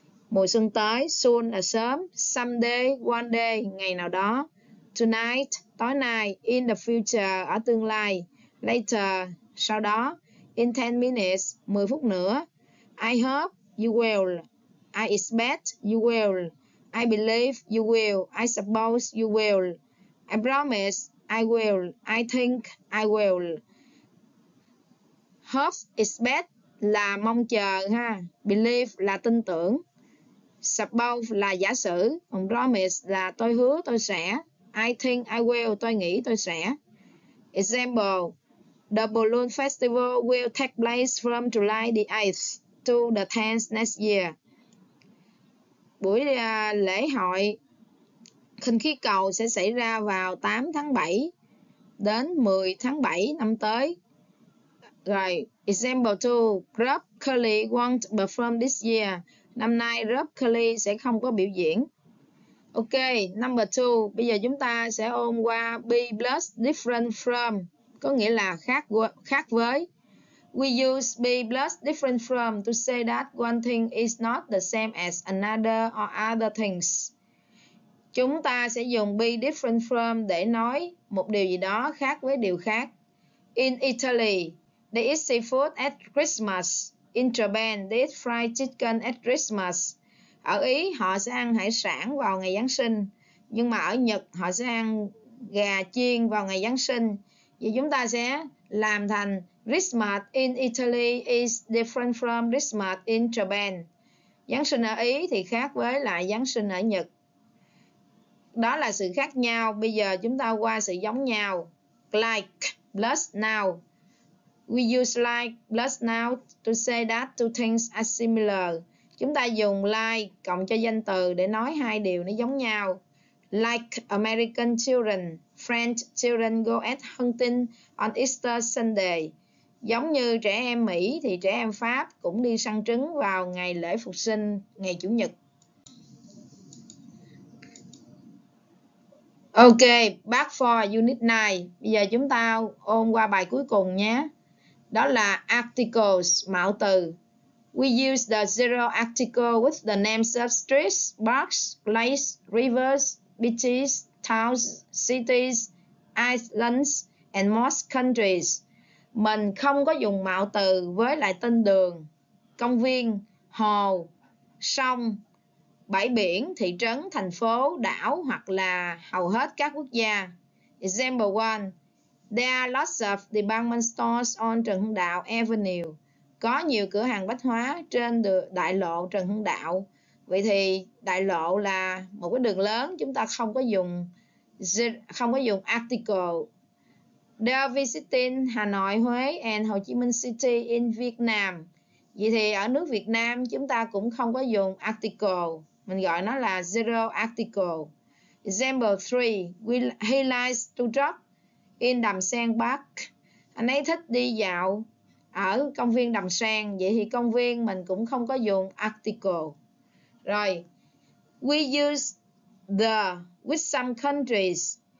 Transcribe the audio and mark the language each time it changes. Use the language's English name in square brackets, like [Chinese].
[English] mùa xuân tới, soon [Vietnamese] là sớm, [English] someday, one day, [Vietnamese] ngày nào đó, [English] tonight, [Vietnamese] tối nay, [English] in the future, [Vietnamese] ở tương lai, [English] later, [Vietnamese] sau đó, [English] in 10 minutes, [Vietnamese] 10 phút nữa, [English] I hope you will, I expect you will, I believe you will, I suppose you will, I promise I will, I think I will. [Vietnamese] Hope, expect là mong chờ ha. Believe là tin tưởng. Suppose là giả sử. Còn promise là tôi hứa tôi sẽ. [English] I think I will, [Vietnamese] tôi nghĩ tôi sẽ. [English] Example, the Balloon Festival will take place from July the 8th to the 10th next year. [Vietnamese] Buổi lễ hội khinh khí cầu sẽ xảy ra vào 8 tháng 7 đến 10 tháng 7 năm tới. Rồi, [English] example 2, group Curly won't perform this year. [Vietnamese] Năm nay Rob Curly sẽ không có biểu diễn. Ok, number 2. Bây giờ chúng ta sẽ ôn qua be plus different from, có nghĩa là khác với. [English] We use be plus different from to say that one thing is not the same as another or other things. [Vietnamese] Chúng ta sẽ dùng be different from để nói một điều gì đó khác với điều khác. [English] In Italy, they eat seafood at Christmas. In Japan, they eat fried chicken at Christmas. [Vietnamese] Ở Ý, họ sẽ ăn hải sản vào ngày Giáng sinh. Nhưng mà ở Nhật, họ sẽ ăn gà chiên vào ngày Giáng sinh. Vậy chúng ta sẽ làm thành [English] Christmas in Italy is different from Christmas in Japan. [Vietnamese] Giáng sinh ở Ý thì khác với lại Giáng sinh ở Nhật. Đó là sự khác nhau. Bây giờ chúng ta qua sự giống nhau. Like plus now. [English] We use like plus now to say that two things are similar. [Vietnamese] Chúng ta dùng like cộng cho danh từ để nói hai điều nó giống nhau. [English] Like American children, French children go at hunting on Easter Sunday. [Vietnamese] Giống như trẻ em Mỹ thì trẻ em Pháp cũng đi săn trứng vào ngày lễ Phục sinh, ngày Chủ nhật. Ok, part 4, unit 9. Bây giờ chúng ta ôn qua bài cuối cùng nhé. Đó là articles, mạo từ. [English] We use the zero article with the names of streets, parks, places, rivers, beaches, towns, cities, islands, and most countries. [Vietnamese] Mình không có dùng mạo từ với lại tên đường, công viên, hồ, sông, bãi biển, thị trấn, thành phố, đảo hoặc là hầu hết các quốc gia. Example 1. [English] There are lots of department stores on Trần Hưng Đạo Avenue. [Vietnamese] Có nhiều cửa hàng bách hóa trên đại lộ Trần Hưng Đạo. Vậy thì đại lộ là một cái đường lớn, chúng ta không có dùng article. [English] They are visiting Hà Nội, Huế and Hồ Chí Minh City in Vietnam. [Vietnamese] Vậy thì ở nước Việt Nam chúng ta cũng không có dùng article. Mình gọi nó là zero article. Example 3. [English] He likes to jog in Đầm Sen Park. [Vietnamese] Anh ấy thích đi dạo ở công viên Đầm Sen. Vậy thì công viên mình cũng không có dùng article. Rồi, [English] we use the with some countries.